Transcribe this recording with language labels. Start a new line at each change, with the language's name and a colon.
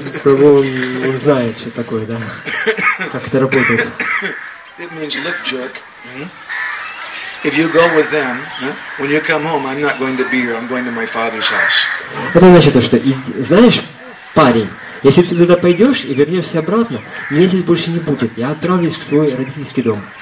Russian: Прабху, он знает, что такое, да? Как это работает.
English: It means look, jerk. If you go with them, when you come home, I'm not going to be here. I'm going to my father's house.
Russian: Это значит то, что, знаешь, парень, если ты туда пойдешь и вернешься обратно, меня здесь больше не будет. Я отправлюсь в свой родительский дом.